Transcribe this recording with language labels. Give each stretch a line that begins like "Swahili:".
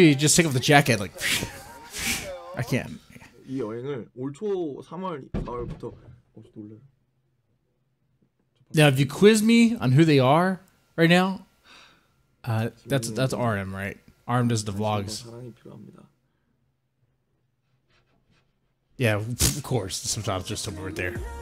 English: You just take off the jacket, like, I can't.
Korean: 이 여행을 올 초 3월 4월부터
English: Now, if you quiz me on who they are right now, that's RM, right? RM does the vlogs. Yeah, of course. The subtitles just over right there.